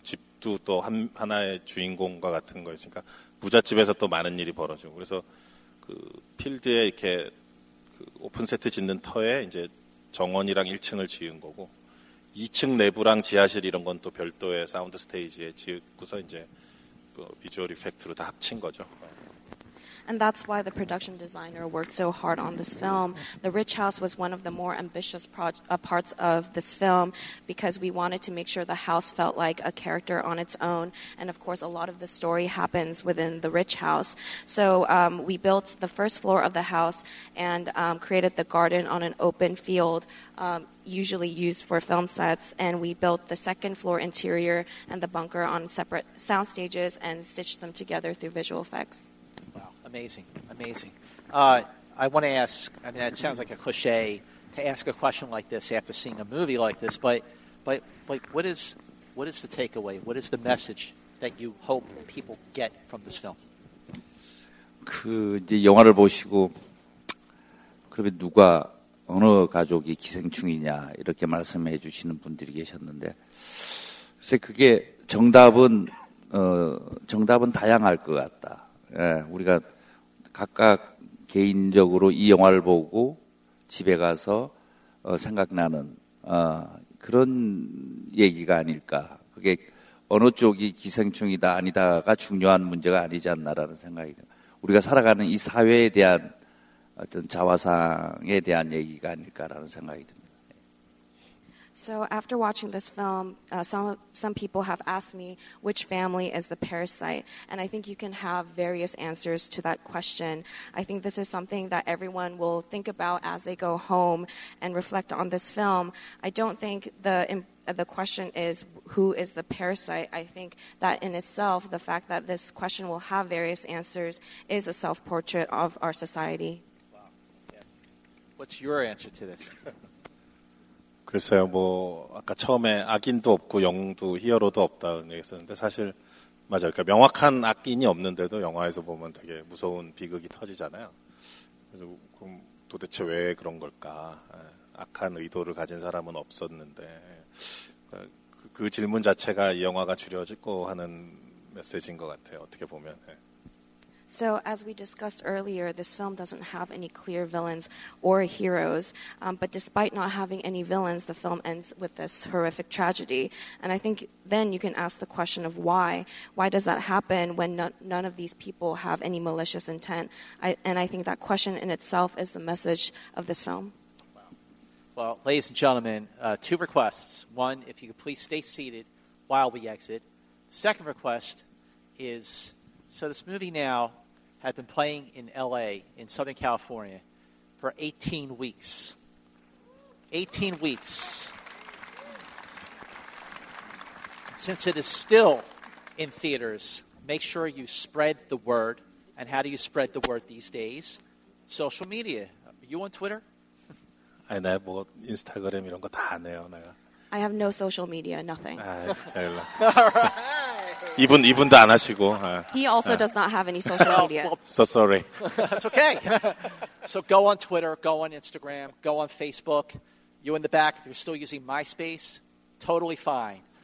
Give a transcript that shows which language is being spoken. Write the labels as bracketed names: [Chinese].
[Korean] 집도 또 하나의 주인공과 같은 거였으니까 부잣집에서 또 많은 일이 벌어지고 그래서 그 필드에 이렇게 그 오픈 세트 짓는 터에 이제 정원이랑 1층을 지은 거고 2층 내부랑 지하실 이런 건 또 별도의 사운드 스테이지에 지고서 이제 뭐 비주얼 이펙트로 다 합친 거죠. [English] And that's why the production designer worked so hard on this film. The Rich House was one of the more ambitious parts of this film because we wanted to make sure the house felt like a character on its own. And of course, a lot of the story happens within the Rich House. So we built the first floor of the house and created the garden on an open field. Usually used for film sets, and we built the second floor interior and the bunker on separate sound stages and stitched them together through visual effects. Wow, amazing, amazing. I want to ask, I mean, it sounds like a cliche to ask a question like this after seeing a movie like this, but what is the takeaway? What is the message that you hope people get from this film? [Korean] 그 이제 영화를 보시고 그러면 누가 어느 가족이 기생충이냐 이렇게 말씀해 주시는 분들이 계셨는데 글쎄 그게 정답은 다양할 것 같다. 예, 우리가 각각 개인적으로 이 영화를 보고 집에 가서 생각나는 그런 얘기가 아닐까. 그게 어느 쪽이 기생충이다 아니다가 중요한 문제가 아니지 않나라는 생각이 듭니다. 우리가 살아가는 이 사회에 대한 어떤 자화상에 대한 얘기가 아닐까라는 생각이 듭니다. [English] So after watching this film, some people have asked me which family is the parasite, and I think you can have various answers to that question. I think this is something that everyone will think about as they go home and reflect on this film. I don't think the question is who is the parasite. I think that in itself, the fact that this question will have various answers is a self-portrait of our society. Wow. Yes. What's your answer to this? [Korean] 글쎄요, 뭐 아까 처음에 악인도 없고 영웅도 히어로도 없다 그런 얘기했었는데 사실 맞아요. 그러니까 명확한 악인이 없는데도 영화에서 보면 되게 무서운 비극이 터지잖아요. 그래서 그럼 도대체 왜 그런 걸까? 악한 의도를 가진 사람은 없었는데 그 질문 자체가 이 영화가 줄여지고 하는 메시지인 것 같아요. 어떻게 보면. [English] So as we discussed earlier, this film doesn't have any clear villains or heroes. But despite not having any villains, the film ends with this horrific tragedy. And I think then you can ask the question of why. Why does that happen when none of these people have any malicious intent? I think that question in itself is the message of this film. Wow. Well, ladies and gentlemen, two requests. One, if you could please stay seated while we exit. Second request is... So this movie now had been playing in L.A., in Southern California, for 18 weeks. 18 weeks. And since it is still in theaters, make sure you spread the word. And how do you spread the word these days? Social media. Are you on Twitter? I know, [Korean] 뭐 인스타그램 이런 거 다 안 해요, 내가. [English] I have no social media, nothing. All right. [Korean] 이분도 안 하시고. [English] He also does not have any social media. So sorry. It's okay. So go on Twitter, go on Instagram, go on Facebook. You in the back, if you're still using MySpace, totally fine.